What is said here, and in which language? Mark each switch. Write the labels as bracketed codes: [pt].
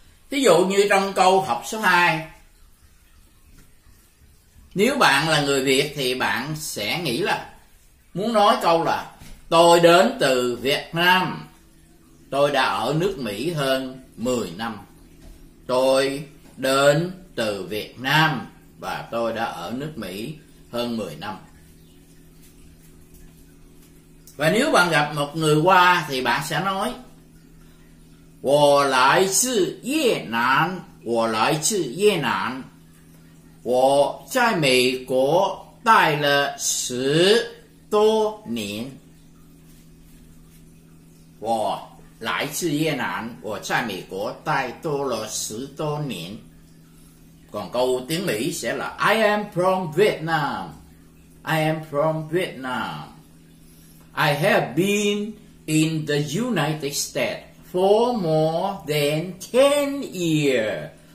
[vi] Ví dụ như trong câu học số 2, nếu bạn là người Việt thì bạn sẽ nghĩ là muốn nói câu là tôi đến từ Việt Nam, tôi đã ở nước Mỹ hơn 10 năm. Tôi đến từ Việt Nam và tôi đã ở nước Mỹ hơn 10 năm. Và nếu bạn gặp một người Hoa thì bạn sẽ nói [zh] 我来自越南，我来自越南，我在美国待了十多年。我来自越南，我在美国待多了十多年。 [vi] còn câu tiếng Mỹ sẽ là [en] I am from Vietnam. I am from Vietnam. I have been in the United States for more than 10 years.